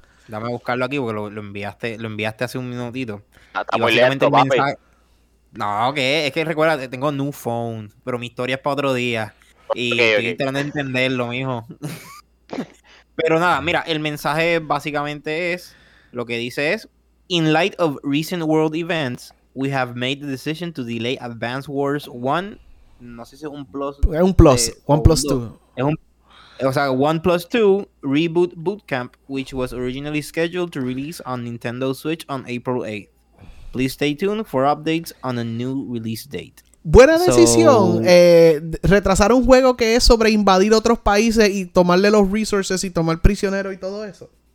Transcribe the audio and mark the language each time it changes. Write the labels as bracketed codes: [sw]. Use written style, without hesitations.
[es] Dame a buscarlo aquí porque lo enviaste hace un minutito. Básicamente el mensaje... No, ¿qué? Okay. Es que recuerda, tengo un [en] new phone, [es] pero mi historia es para otro día. Y okay. Estoy intentando entenderlo, mijo. Pero nada, mira, el mensaje básicamente es... Lo que dice es... [en] In light of recent world events, we have made the decision to delay Advance Wars 1. [es] No sé si es un plus. Es un plus. One plus two. Es un... O sea, [en] One Plus 2 Reboot Bootcamp, which was originally scheduled to release on Nintendo Switch on April 8th. Please stay tuned for updates on a new release date. [es] Buena decisión. Retrasar un juego que es sobre invadir otros países y tomarle los resources y tomar prisioneros y todo eso.